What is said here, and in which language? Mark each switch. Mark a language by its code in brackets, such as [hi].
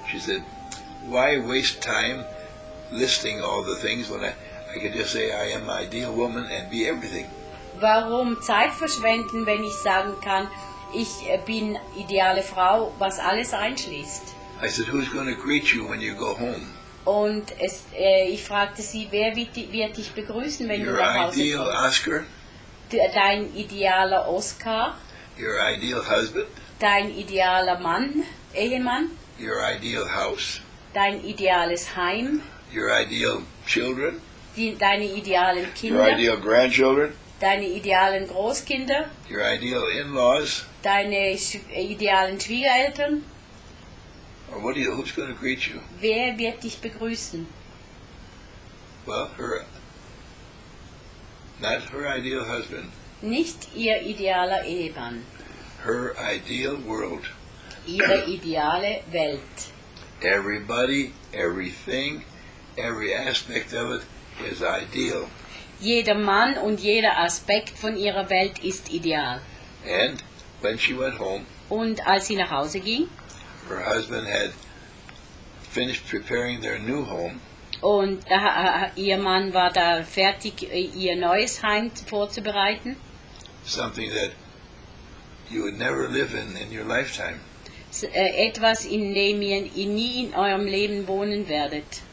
[en] She said, why waste time listing all the things when I could just say I am ideal woman and be everything? [de] Warum Zeit verschwenden, wenn ich sagen kann, ich bin ideale Frau, was alles einschließt? [en] I said, who's going to greet you when you go home? [de] Und ich fragte sie, wer wird dich begrüßen, wenn [en] your [de] du nach Hause [en] ideal [de] kommst? [en] Oscar? [de] Dein idealer Oscar? [en] Your ideal husband? [de] Dein idealer Mann, Ehemann? [en] Your ideal house? [de] Dein ideales Heim? [en] Your ideal children? [de] Deine idealen Kinder? [en] Your ideal grandchildren? [de] Deine idealen Großkinder? [en] Your ideal in-laws? [de] Deine idealen Schwiegereltern? [en] Who's going to greet you? [de] Wer wird dich begrüßen? [en] Well, not her ideal husband. [de] Nicht ihr idealer Ehemann. [en] Her ideal world. [de] Ihre ideale Welt. [en] Everybody, everything, every aspect of it is ideal. [de] Jeder Mann und jeder Aspekt von ihrer Welt ist ideal. [en] And when she went home, [de] und als sie nach Hause ging, [en] her husband had finished preparing their new home. [de] Und ihr Mann war da fertig, ihr neues Heim vorzubereiten. [en] Something that you would never live in your lifetime. [de] Etwas, in dem ihr nie in eurem Leben wohnen werdet.